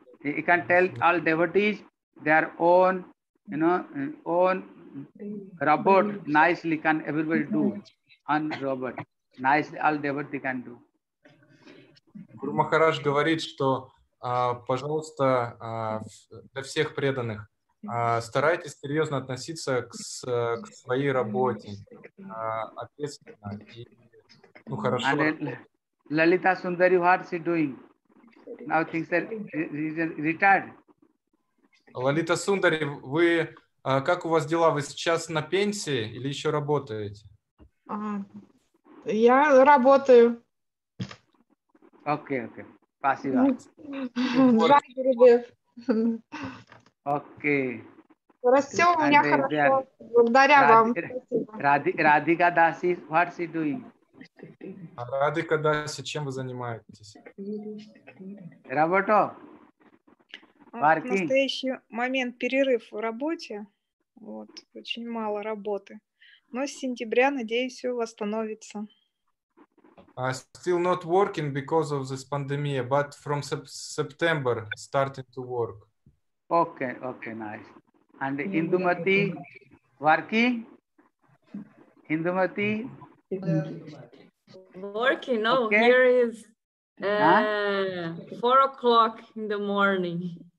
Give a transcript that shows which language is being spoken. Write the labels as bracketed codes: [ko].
[en] You can tell all devotees their own, you know, own robot nicely can everybody do. On robot. Nicely all devotees can do. [ru] Гуру Махарадж говорит, что, пожалуйста, для всех преданных, старайтесь серьезно относиться к своей работе. Ответственно. И, ну, хорошо. And [en] Lalita Sundari, what is she doing? Now things are retired. [ru] Лолита Сундари, вы как у вас дела? Вы сейчас на пенсии или еще работаете? Я работаю. Окей, окей. Спасибо. Здравствуйте, Гурудев. Окей. Все у меня хорошо. Благодаря вам. [en] Радика Даси, what she doing? [ru] Радика Даси, чем вы занимаетесь? Работа. В настоящий момент перерыв в работе. Вот, очень мало работы. Но с сентября, надеюсь, все восстановится. [en] Still not working because of this pandemic, but from September started to work. Okay, okay, nice. And Indumati working? Indumati? Working? No, okay. Here is 4 o'clock in the morning.